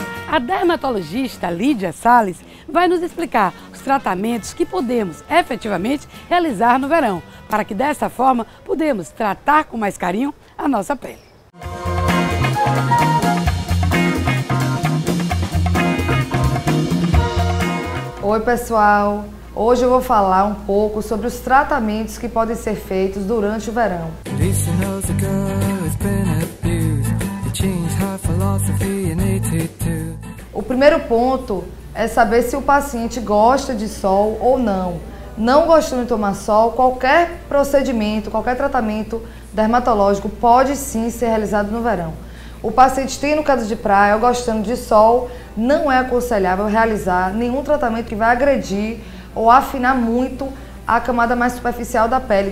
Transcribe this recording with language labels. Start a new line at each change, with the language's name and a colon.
Portuguese: A dermatologista Lídia Salles vai nos explicar os tratamentos que podemos efetivamente realizar no verão, para que dessa forma podemos tratar com mais carinho a nossa pele. Oi, pessoal! Hoje eu vou falar um pouco sobre os tratamentos que podem ser feitos durante o verão.
English: Lisa knows a girl who's been abused. It changed her philosophy in 82.
Portuguese: O primeiro ponto é saber se o paciente gosta de sol ou não. Não gostando de tomar sol, qualquer procedimento, qualquer tratamento dermatológico pode sim ser realizado no verão. O paciente tendo casa de praia ou gostando de sol, não é aconselhável realizar nenhum tratamento que vai agredir ou afinar muito a camada mais superficial da pele.